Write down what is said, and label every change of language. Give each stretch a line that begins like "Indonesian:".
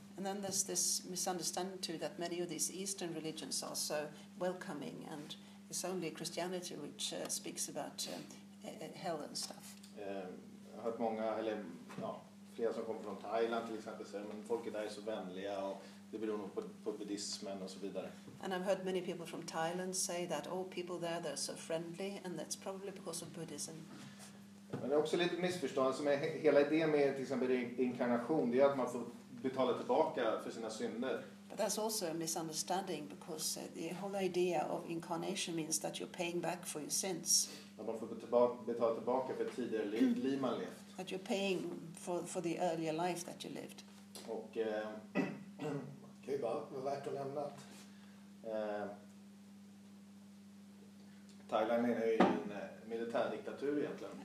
English: And then there's this misunderstanding too that many of these eastern religions are so welcoming and it's only Christianity which speaks about hell and stuff.
Swedish: Jag har hört många, eller ja, flera som kommer från Thailand till exempel säger, men folk där är så vänliga och det beror nog på buddhismen och så vidare.
English: And I've heard many people from Thailand say that all people there, they're so friendly, and that's probably because of Buddhism.
Swedish: Men det är också lite missförstånd, som är hela idén med till exempel inkarnation, det är att man får betala tillbaka för sina synder.
English: But that's also a misunderstanding, because the whole idea of incarnation means that you're paying back for your sins.
Swedish: Att man får betala tillbaka för tidigare liv man levt.
English: That you're paying for the earlier life that you lived.
Swedish: Och kan ju bara vara värt att nämna att Thailand är ju en militärdiktatur egentligen.